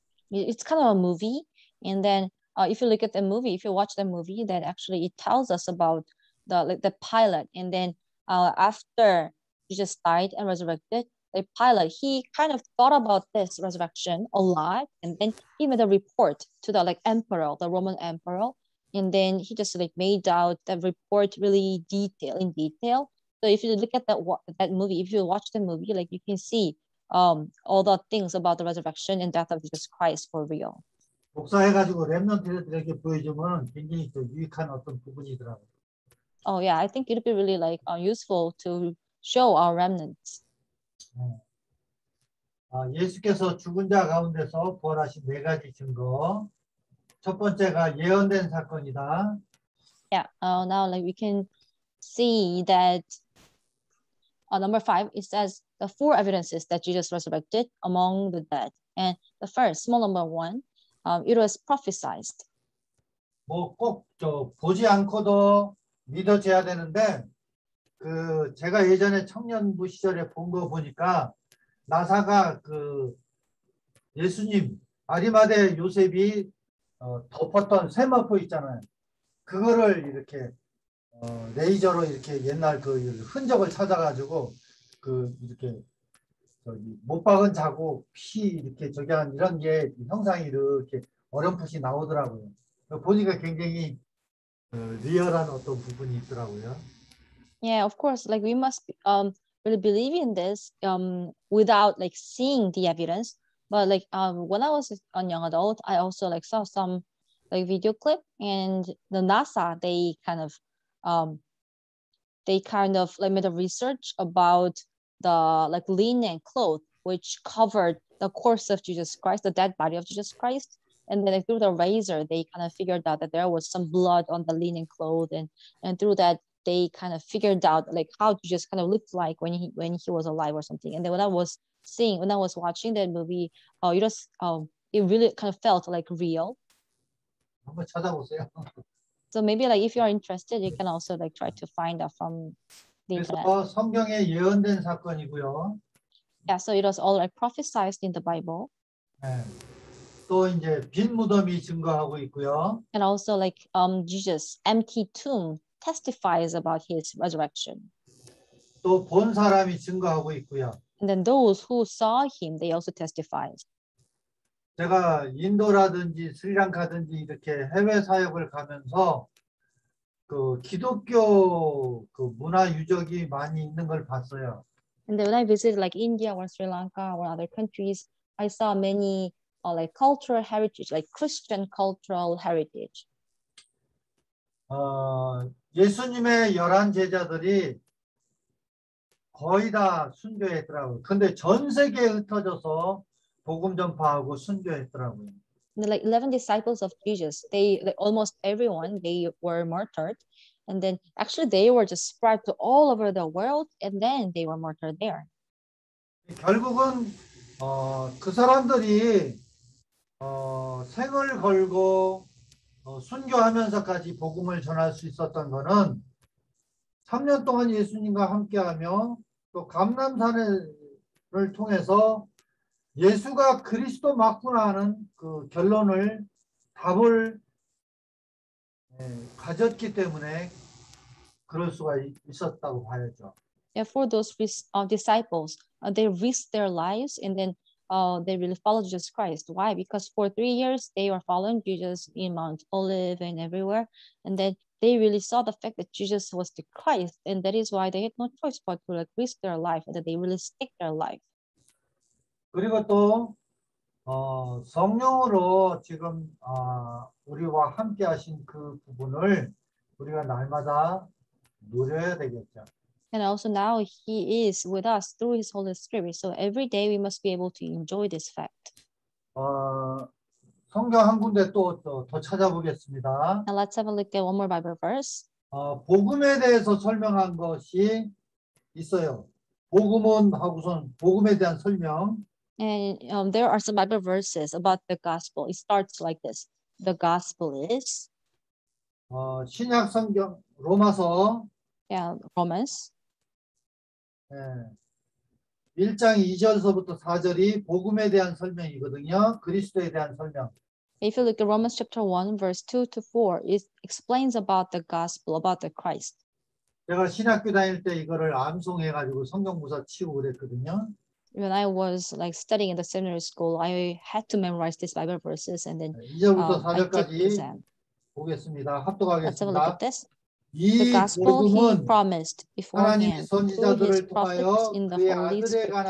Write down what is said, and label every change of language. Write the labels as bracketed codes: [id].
[en] It's kind of a movie, and then if you look at the movie, if you watch the movie, then actually it tells us about the like the Pilate, and then after Jesus died and resurrected, the Pilate he kind of thought about this resurrection a lot, and then he made a report to the like emperor, the Roman emperor, and then he just like made out the report really detail. So if you look at that movie, if you watch the movie, like you can see. All the things about the resurrection and death of Jesus Christ for real. [ko] 복사해가지고 렘넌트들에게 보여주면 굉장히 또 유익한 어떤 부분이더라고. [en] Oh yeah, I think it'd be really like useful to show our remnants. [ko] 예수께서 죽은 자 가운데서 부활하신 네 가지 증거. 첫 번째가 예언된 사건이다. [en] Yeah. Now like we can see that. Number five, it says the four evidences that Jesus resurrected among the dead. And the first, small number one, it was prophesied. [ko] 뭐 꼭 저 보지 않고도 믿어져야 되는데 그 제가 예전에 청년부 시절에 본 거 보니까 나사가 그 예수님 아리마대 요셉이 덮었던 세마포 있잖아요. 그거를 이렇게 레이저로 이렇게 옛날 그 흔적을 찾아가지고 그 이렇게 저기 못 박은 자국 피 이렇게 저기 한 이런 게 형상이 이렇게 어렴풋이 나오더라고요. 보니까 굉장히 리얼한 어떤 부분이 있더라고요. [en] Yeah, of course. Like we must be, really believe in this without like seeing the evidence. But like when I was a young adult, I also like saw some like video clip and the NASA they kind of they kind of like made a research about the like linen cloth which covered the corpse of Jesus Christ, the dead body of Jesus Christ, and then like, through the razor they kind of figured out that there was some blood on the linen cloth, and through that they kind of figured out like how Jesus kind of looked like when he was alive or something. And then when I was watching that movie, it really kind of felt like real. [ko] 한번 찾아보세요. [en] So maybe like if you are interested, you can also like try to find out from the internet. [ko] 성경에 예언된 사건이고요. [en] Yeah, so it was all like prophesized in the Bible. [ko] 네. 또 이제 빈 무덤이 증거하고 있고요. [en] And also like Jesus' empty tomb testifies about his resurrection. [ko] 또 본 사람이 증거하고 있고요. [en] And then those who saw him, they also testified. [ko] 제가 인도라든지 스리랑카든지 이렇게 해외 사역을 가면서 그 기독교 그 문화 유적이 많이 있는 걸 봤어요. [en] And then when I visited like India or Sri Lanka or other countries, I saw many like cultural heritage, like Christian cultural heritage. [ko] 예수님의 열한 제자들이 거의 다 순교했더라고요. 근데 전 세계에 흩어져서 복음 전파하고 순교했더라고요. [en] And the like 11 disciples of Jesus, they like almost everyone, they were martyred. And then actually they were just spread to all over the world and then they were martyred there. [ko] 결국은 그 사람들이 생을 걸고 순교하면서까지 복음을 전할 수 있었던 거는 3년 동안 예수님과 함께하며 또 감람산을 통해서 예수가 그리스도 맞구나 하는 그 결론을 답을 가졌기 때문에 그럴 수가 있었다고 봐야죠. [en] Yeah, for those disciples, they risked their lives and then they really followed Jesus Christ. Why? Because for 3 years they were following Jesus in Mount Olive and everywhere, and then they really saw the fact that Jesus was the Christ, and that is why they had no choice but to like risk their life and that they really stake their life. [ko] 그리고 또 성령으로 지금 우리와 함께 하신 그 부분을 우리가 날마다 누려야 되겠죠. [en] And also now he is with us through his Holy Spirit. So every day we must be able to enjoy this fact. [ko] 성경 한 군데 또 더 찾아보겠습니다. [en] And let's have a look at one more Bible verse. [ko] 복음에 대해서 설명한 것이 있어요. 복음은 하고선 복음에 대한 설명. [en] And there are some Bible verses about the gospel. It starts like this. The gospel is [ko] 신약 성경 로마서 [en] Yeah, Romans. [ko] 예, 1장 2절서부터 4절이 복음에 대한 설명이거든요. 그리스도에 대한 설명. [en] If you look at Romans chapter 1, verse 2 to 4, it explains about the gospel, about the Christ. [ko] 제가 신학교 다닐 때 이거를 암송해가지고 성경구사 치고 그랬거든요. [en] When I was like studying in the seminary school, I had to memorize these Bible verses and then [ko] 2절부터 4절까지 보겠습니다. 합독하겠습니다. [en] Let's have a look at this. The gospel he promised beforehand through his prophets in the Holy Scriptures.